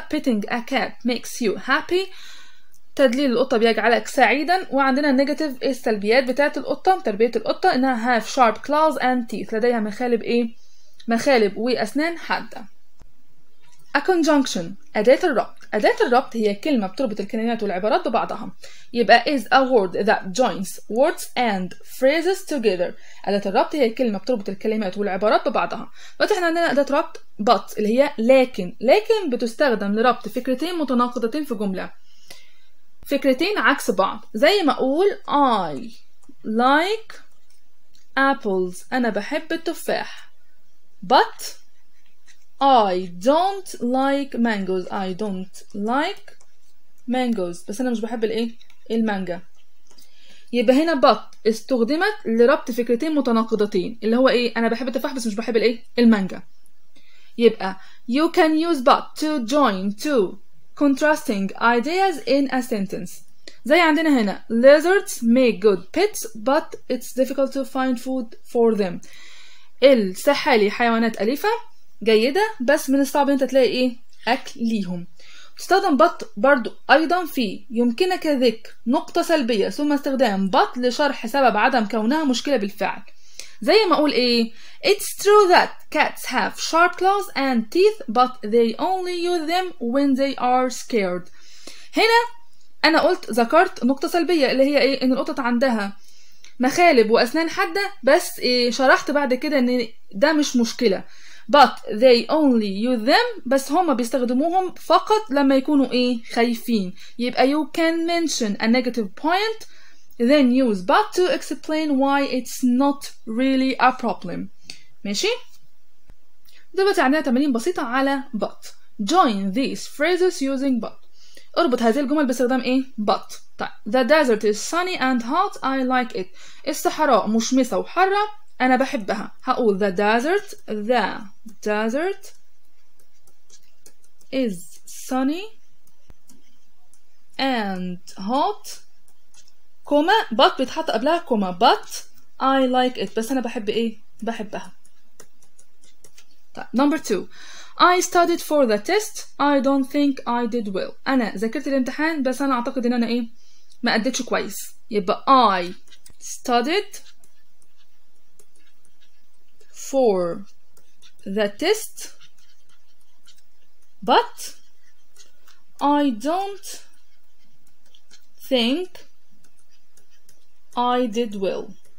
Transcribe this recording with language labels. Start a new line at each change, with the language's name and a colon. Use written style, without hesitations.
English: Petting a cat makes you happy
Arabic: تدليل القطة بيجعلك سعيدا. وعندنا نيجاتيف السلبيات بتاعة القطة تربية القطة انها
English: have sharp claws and teeth
Arabic: لديها مخالب ايه مخالب واسنان حادة. A conjunction أداة الربط. أداة الربط هي كلمة بتربط الكلمات والعبارات ببعضها. يبقى
English: is a word that joins words and phrases together.
Arabic: أداة الربط هي كلمة بتربط الكلمات والعبارات ببعضها. فاحنا عندنا أداة ربط but اللي هي لكن. لكن بتستخدم لربط فكرتين متناقضتين في جملة. فكرتين عكس بعض. زي ما أقول
English: I like apples.
Arabic: أنا بحب التفاح.
English: But I don't like mangoes. I don't like mangoes.
Arabic: بس أنا مش بحب الإيه؟ المانجا. يبقى هنا but استخدمت لربط فكرتين متناقضتين اللي هو إيه؟ أنا بحب التفاح بس مش بحب الإيه؟ المانجا. يبقى
English: you can use but to join two contrasting ideas in a sentence.
Arabic: زي عندنا هنا
English: lizards make good pets but it's difficult to find food for them.
Arabic: السحالي حيوانات أليفة جيدة بس من الصعب انت تلاقي ايه اكل ليهم. تستخدم but برضو ايضا في يمكنك ذكر نقطة سلبية ثم استخدام but لشرح سبب عدم كونها مشكلة بالفعل. زي ما اقول ايه
English: It's true that cats have sharp claws and teeth but they only use them when they are scared.
Arabic: هنا انا قلت ذكرت نقطة سلبية اللي هي ايه ان القطط عندها مخالب واسنان حادة بس ايه شرحت بعد كده ان ده مش مشكلة.
English: But they only use them
Arabic: بس هما بيستخدموهم فقط لما يكونوا ايه خايفين. يبقى
English: you can mention a negative point then use but to explain why it's not really a problem.
Arabic: ماشي دلوقتي عندنا تمارين بسيطة على but.
English: Join these phrases using but.
Arabic: اربط هذه الجمل باستخدام ايه؟ but.
English: طيب the desert is sunny and hot, I like it.
Arabic: الصحراء مشمسة وحارة انا بحبها. هقول
English: the desert, the desert is sunny and hot, comma but
Arabic: بيتحط قبلها كوما
English: but I like it,
Arabic: بس انا بحب ايه؟ بحبها.
English: طيب number two, I studied for the test, I don't think I did well.
Arabic: أنا ذاكرت الامتحان بس أنا أعتقد إن أنا إيه؟ ما أديتش كويس.
English: يبقى I studied for the test but I don't think I did well.